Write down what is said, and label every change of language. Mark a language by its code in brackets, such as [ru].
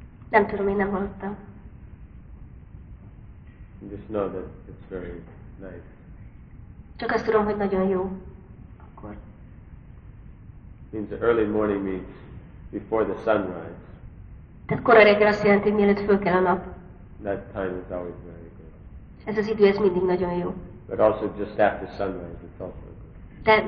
[hu] Nem tudom, én nem hallottam. [en] Just know that it's very nice. [hu] Csak azt tudom, hogy nagyon jó. Akkor. [en] Means the early morning means before the sunrise. [hu] Tehát kora reggel azt jelenti, mielőtt föl kell a nap. [en] That time is always very good. [hu] Ez az idő, ez mindig nagyon jó. [en] But also just after sunrise, it's also good.